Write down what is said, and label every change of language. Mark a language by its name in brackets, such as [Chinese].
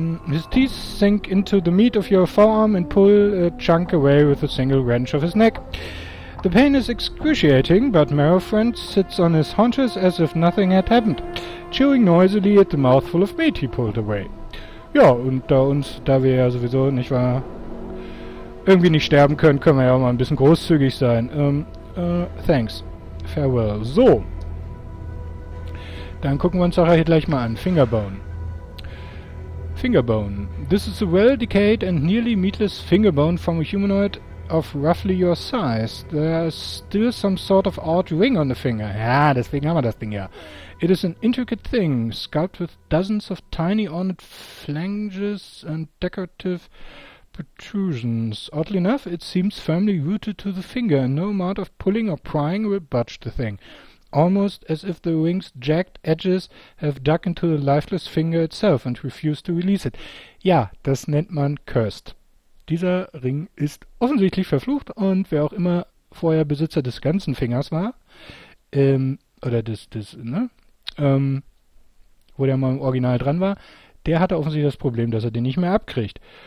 [English] His teeth sink into the meat of your forearm and pull a chunk away with a single wrench of his neck. The pain is excruciating, but marrow friend sits on his haunches as if nothing had happened, chewing noisily at the mouthful of meat he pulled away. [German] Ja, und da wir ja sowieso nicht wahr irgendwie nicht sterben können, können wir ja auch mal ein bisschen großzügig sein. [English] Thanks. Farewell. [German] So. Dann gucken wir uns auch hier gleich mal an. [English] Fingerbone. Fingerbone. This is a well decayed and nearly meatless fingerbone from a humanoid of roughly your size. There's still some sort of odd ring on the finger. [German] Ja, deswegen haben wir das Ding ja. [English] It is an intricate thing, sculpted with dozens of tiny ornate flanges and decorative protrusions. Oddly enough, it seems firmly rooted to the finger, and no amount of pulling or prying will budge the thing. Almost as if the ring's jagged edges have dug into the lifeless finger itself and refuse to release it. [German] Ja, das nennt man cursed. Dieser Ring ist offensichtlich verflucht und wer auch immer vorher Besitzer des ganzen Fingers war, oder wo der mal im Original dran war, der hatte offensichtlich das Problem, dass er den nicht mehr abkriegt.